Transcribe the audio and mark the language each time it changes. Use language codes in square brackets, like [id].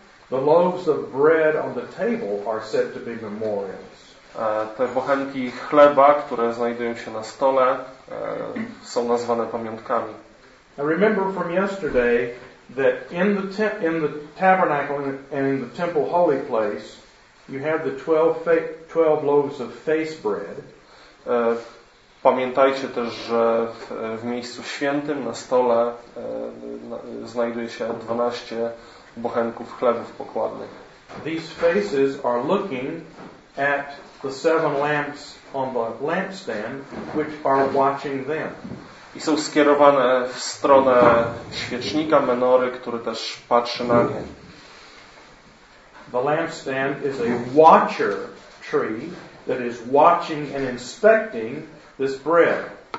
[en] the loaves of bread on the table are said to be memorials. [pl] Te bochenki chleba, które znajdują się na stole, są nazwane pamiątkami. [en] I remember from yesterday that in the tabernacle and in the temple holy place you have the 12 loaves of face bread. [pl] Pamiętajcie też, że w miejscu świętym na stole znajduje się 12 bochenków chlebów pokładnych. [en] These faces are looking at the seven lamps on the lampstand, which are watching them. [pl] I są skierowane w stronę świecznika, menory, który też patrzy na nie. [en] The lampstand is a watcher tree that is watching and inspecting this bread.